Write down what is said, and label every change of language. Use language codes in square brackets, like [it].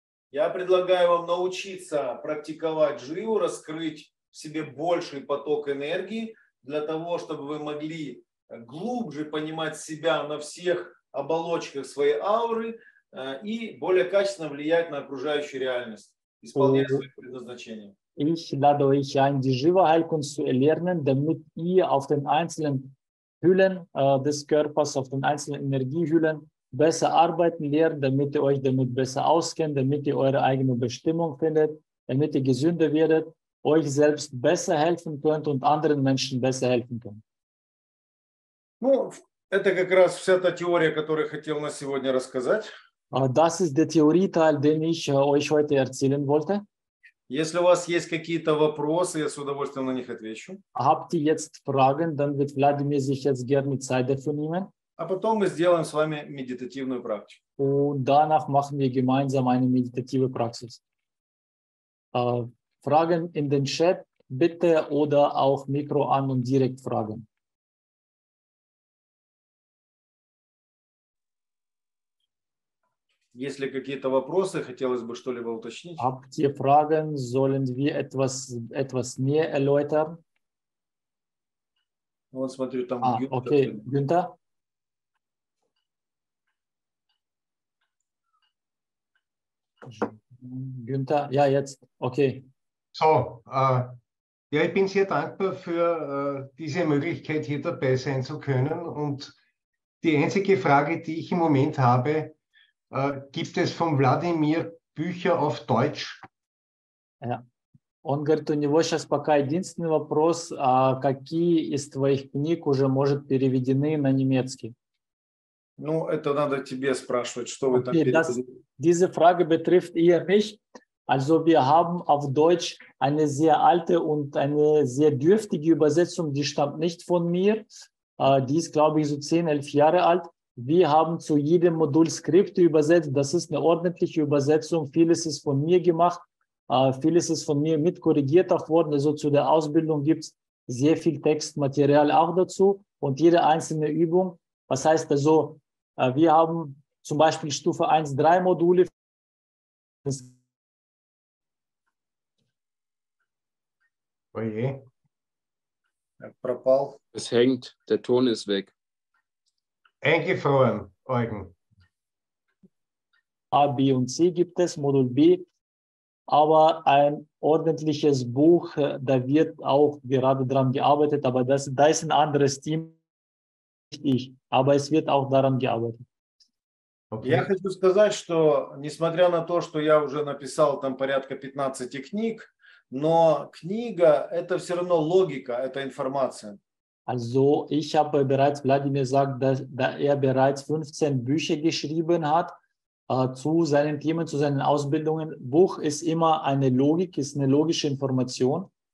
[ru] Я предлагаю вам научиться практиковать живу, раскрыть в себе больший поток энергии для того, чтобы вы могли глубже понимать себя на всех оболочках своей ауры и более качественно влиять на окружающую реальность, исполняя свое предназначение. [de] Ich lade euch ein, die Shiva-Heilkunst zu erlernen, damit ihr auf den einzelnen Hüllen des Körpers, auf den einzelnen Energiehüllen besser arbeiten lernt, damit ihr euch damit besser auskennt, damit ihr eure eigene Bestimmung findet, damit ihr gesünder werdet, euch selbst besser helfen könnt und anderen Menschen besser helfen könnt. [ru] Ну, это как раз вся та теория, которую я хотел на сегодня рассказать. [de] Das ist der Theorie-Teil, den ich euch heute erzählen wollte. [ru] Если у вас есть какие-то вопросы, я с удовольствием на них отвечу. [de] Habt ihr jetzt Fragen, dann wird Vladimir sich jetzt gerne Zeit dafür nehmen. [ru] А потом мы сделаем с вами медитативную практику. [de] Und danach machen wir gemeinsam eine meditative Praxis. Fragen in den Chat bitte oder auch Mikro an und direkt fragen. [ru] Есть ли какие-то вопросы, хотелось бы что-либо уточнить? [de] Habt ihr Fragen, sollen wir etwas mehr erläutern? [ru] Вот смотрю, там Гюнтер. Окей, Гюнтер. [de] Гюнтер, ja, jetzt, okay. So, ja, ich bin sehr dankbar für diese Möglichkeit, hier dabei sein zu können. Und die einzige Frage, die ich im Moment habe, gibt es von Vladimir Bücher auf Deutsch? Ja. [ru] Он говорит, у него сейчас пока единственный вопрос, а какие из твоих книг уже, может, переведены на немецкий? Ну, это надо тебе спрашивать, что вы там переведены. [de] Diese Frage betrifft eher mich. Also wir haben auf Deutsch eine sehr alte und eine sehr dürftige Übersetzung, die stammt nicht von mir. Die ist, glaube ich, so 10-11 Jahre alt. Wir haben zu jedem Modul Skripte übersetzt. Das ist eine ordentliche Übersetzung. Vieles ist von mir gemacht. Vieles ist von mir mitkorrigiert auch worden. Also zu der Ausbildung gibt es sehr viel Textmaterial auch dazu. Und jede einzelne Übung. Was heißt also, wir haben zum Beispiel Stufe 1, 3 Module. [ru] Oje. Пропал. [de] Es hängt. Der Ton ist weg. Eingefroren, Eugen. A, B und C gibt es, Modul B. Aber ein ordentliches Buch, da wird auch gerade dran gearbeitet. Aber da ist ein anderes Team, nicht ich. Aber es wird auch daran gearbeitet. Okay. [ru] Я хочу сказать, что несмотря на то, что я уже написал там порядка 15 книг, но книга – это все равно логика, это информация. [de] Also ich habe bereits, Vladimir sagt, dass er bereits 15 Bücher geschrieben hat zu seinen Themen, zu seinen Ausbildungen. Buch ist immer eine Logik, ist eine logische Information.